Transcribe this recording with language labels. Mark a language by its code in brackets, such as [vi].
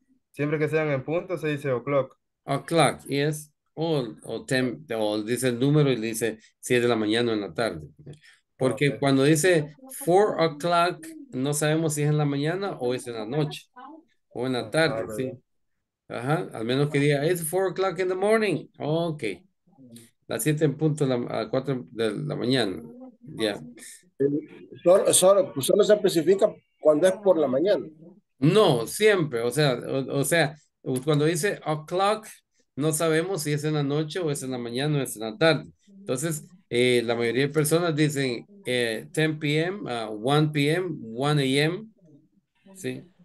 [es] Siempre que sean en punto se dice o'clock. [en] O'clock, yes. [es] O dice el número y le dice 7 de la mañana o en la tarde. Porque okay, cuando dice 4 o'clock, no sabemos si es en la mañana o es en la noche. O en la tarde, sí. Ajá, al menos que diga, [en] it's 4 o'clock in the morning. [es] Ok. Las 7 en punto a las 4 de la mañana. Ya. Yeah. Solo se especifica cuando es por la mañana. No, siempre. O sea, cuando dice o'clock, no sabemos si es en la noche o es en la mañana o es en la tarde. Entonces, la mayoría de personas dicen 10 p.m., 1 p.m., 1 a.m., ¿sí?